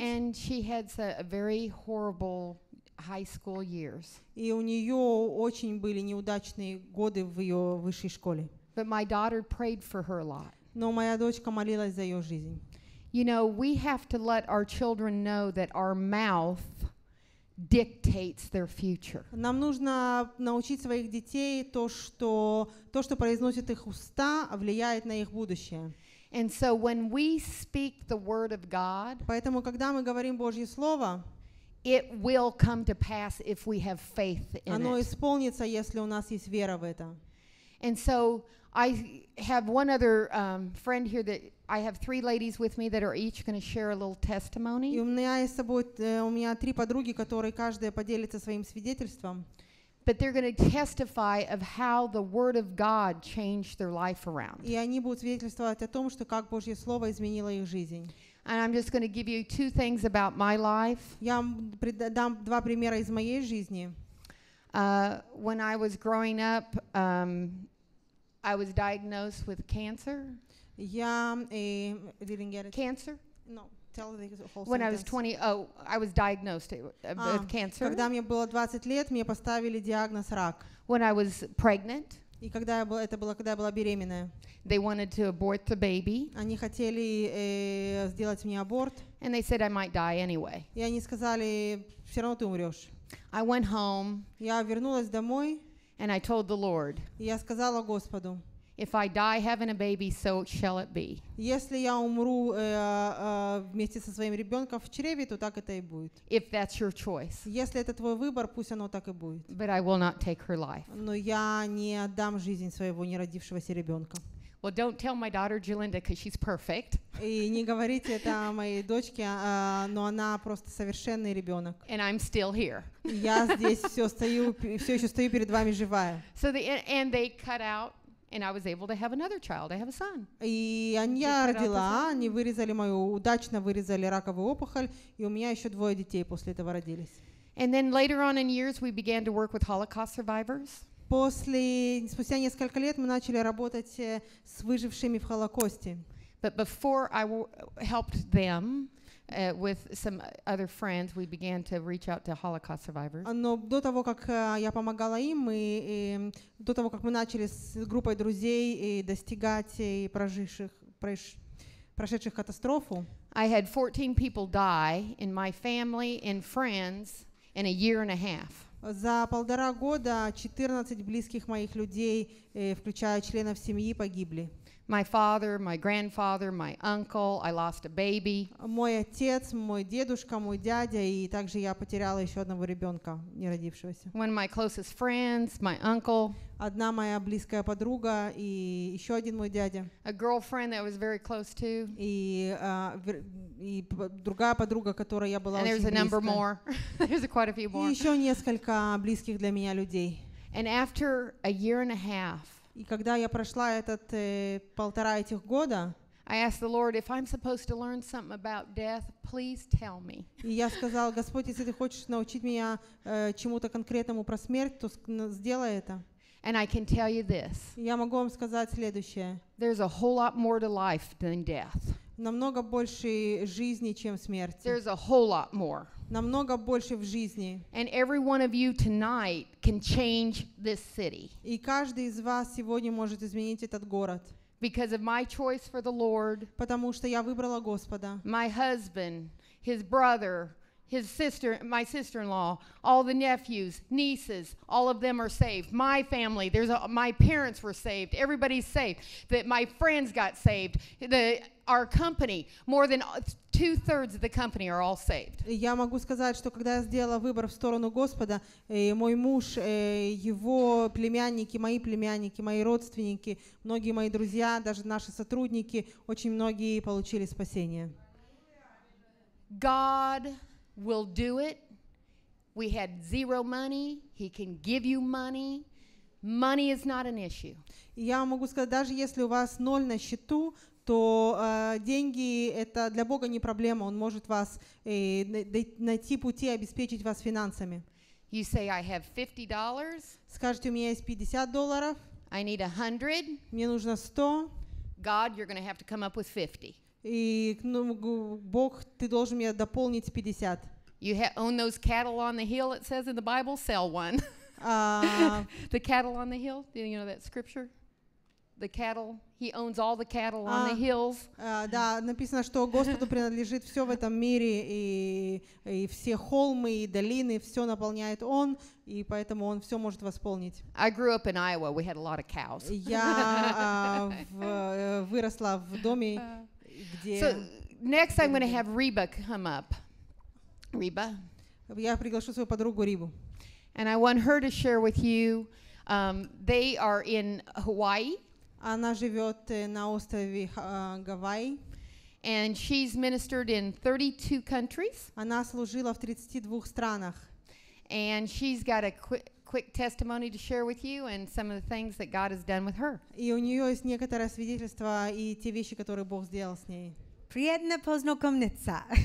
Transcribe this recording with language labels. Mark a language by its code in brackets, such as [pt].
[en] And she had a very horrible high school years. [ru] И у нее очень были неудачные годы в ее высшей школе. [en] But my daughter prayed for her a lot. [ru] Но моя дочка молилась за ее жизнь. [en] You know, we have to let our children know that our mouth dictates their future. [ru] Нам нужно научить своих детей то, что произносят их уста, влияет на их будущее. [en] And so when we speak the word of God, [ru] поэтому когда мы говорим Божье слово, [en] it will come to pass if we have faith in [ru] оно исполнится, если у нас есть вера в это. [en] And so I have one other friend here that I have three ladies with me that are each going to share a little testimony. [ru] У меня есть с собой у меня три подруги, которые каждая поделится своим свидетельством. [en] But they're going to testify of how the word of God changed their life around. [ru] И они будут свидетельствовать о том, что как Божье слово изменило их жизнь. [en] And I'm just going to give you two things about my life. [ru] Я вам дам два примера из моей жизни. [en] When I was growing up, I was diagnosed with cancer. I was diagnosed with cancer. [ru] Когда мне было 20 лет, мне поставили диагноз рак. [en] When I was pregnant. [ru] И когда я была, это было, когда я была беременная. [en] They wanted to abort the baby. [ru] Они хотели сделать мне аборт. [en] And they said I might die anyway. [ru] И они сказали, все равно ты умрешь. [en] I went home. [ru] Я вернулась домой. [en] And I told the Lord. [ru] Я сказала Господу. [en] If I die having a baby, so shall it be. [ru] Если я умру вместе со своим ребенком в чреве, то так это и будет. [en] If that's your choice. [ru] Если это твой выбор, пусть оно так и будет. [en] But I will not take her life. [ru] Но я не отдам жизнь своего неродившегося ребенка. [en] Well, don't tell my daughter Jalinda, because she's perfect. [ru] И не говорите это моей дочке, но она просто совершенный ребенок. [en] And I'm still here. [ru] Я здесь все еще стою перед вами живая. [en] So they cut out, and I was able to have another child. I have a son. [ru] И я родила, они вырезали мою, удачно вырезали раковую опухоль, и у меня еще двое детей после этого родились. [en] And then later on in years, we began to work with Holocaust survivors. [ru] Спустя несколько лет мы начали работать с выжившими в Холокосте. [en] But before I helped them with some other friends, we began to reach out to Holocaust survivors. [ru] Но до того, как я помогала им, мы до того, как мы начали с группой друзей достигать прошедших катастрофу. [en] I had 14 people die in my family and friends in a year and a half. [ru] За полтора года 14 близких моих людей, включая членов семьи, погибли. [en] My father, my grandfather, my uncle, I lost a baby. [ru] Мой отец, мой дедушка, мой дядя, и также я потеряла еще одного ребенка, не родившегося. [en] One of my closest friends, my uncle. [ru] Одна моя близкая подруга и еще один мой дядя. [en] A girlfriend that I was very close to. [ru] И другая подруга, которой я была очень близка. [en] And there's a number more. There's quite a few more. [ru] И еще несколько близких для меня людей. [en] And after a year and a half. [ru] И когда я прошла этот полтора этих года, [en] I asked the Lord, if I'm supposed to learn something about death, please tell me. [ru] И я сказала, Господь, если ты хочешь научить меня чему-то конкретному про смерть, то сделай это. [en] And I can tell you this. [ru] Я могу вам сказать следующее. [en] There's a whole lot more to life than death. [ru] Намного больше жизни, чем смерти. [en] There's a whole lot more. [ru] Намного больше в жизни. [en] And every one of you tonight can change this city. [ru] И каждый из вас сегодня может изменить этот город. [en] Because of my choice for the Lord. [ru] Потому что я выбрала Господа. [en] My husband, his brother, his sister, my sister-in-law, all the nephews, nieces, all of them are saved. My family, my parents were saved. Everybody's saved. That my friends got saved. Our company, more than 2/3 of the company are all saved. [ru] Я могу сказать, что когда я сделала выбор в сторону Господа, мой муж, его племянники, мои родственники, многие мои друзья, даже наши сотрудники, очень многие получили спасение. [en] God will do it. We had zero money. He can give you money. Money is not an issue. [ru] Я могу сказать, даже если у вас ноль на счету, то деньги — это для Бога не проблема. Он может вас найти пути, обеспечить вас финансами. [en] You say, I have $50. [ru] Скажете, у меня есть $50. [en] I need 100. [ru] Мне нужно 100. [en] God, you're going to have to come up with 50. [ru] И, ну, Бог, ты должен мне дополнить 50. [en] You own those cattle on the hill, it says in the Bible, sell one. the cattle on the hill, you know that scripture? The cattle, He owns all the cattle on the hills. [ru] Да, написано, что Господу принадлежит все в этом мире и все холмы и долины, все наполняет Он, и поэтому Он все может восполнить. [en] I grew up in Iowa. We had a lot of cows. [ru] Я выросла в доме, где. [en] So next, I'm going to have Reba come up. Reba. [ru] Я приглашу свою подругу Рибу. [en] And I want her to share with you. They are in Hawaii. [ru] Она живет на острове Гавайи. [en] And she's ministered in 32 countries. [ru] Она служила в 32 странах. [en] And she's got a quick testimony to share with you and some of the things that God has done with her. [ru] И у нее есть некоторое свидетельство и те вещи, которые Бог сделал с ней. Приятно познакомиться.